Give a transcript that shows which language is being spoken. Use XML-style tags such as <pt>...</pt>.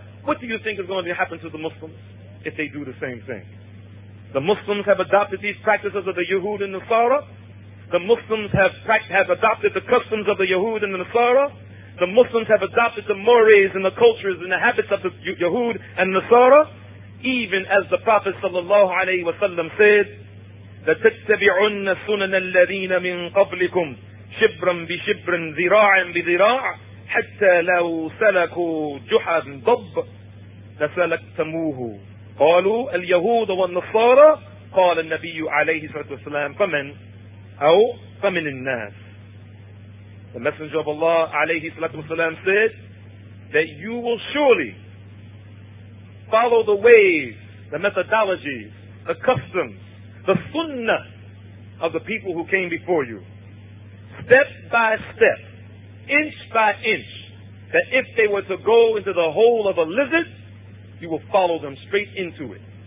<en>What do you think is going to happen to the Muslims if they do the same thing? The Muslims have adopted these practices of the Yahud and Nasara. The Muslims have adopted the customs of the Yahud and the Nasara. The Muslims have adopted the mores and the cultures and the habits of the Yahud and Nasara. Even as the Prophet sallallahu alayhi wa sallam said,</en> <ar>لتتبعن سنن الذين من قبلكم شبرا بشبر ذراعا بذراع حتى لو سلكوا جحر ضب لسلكتموه. قالوا اليهود والنصارى. قال النبي عليه الصلاة والسلام فمن أو فمن الناس.</ar> <en>The Messenger of Allah</en> <ar>عليه الصلاة والسلام</ar> <en>said that you will surely follow the ways, the methodologies, the customs, the sunnah of the people who came before you, step by step, inch by inch, that if they were to go into the hole of a lizard, you will follow them straight into it.</en>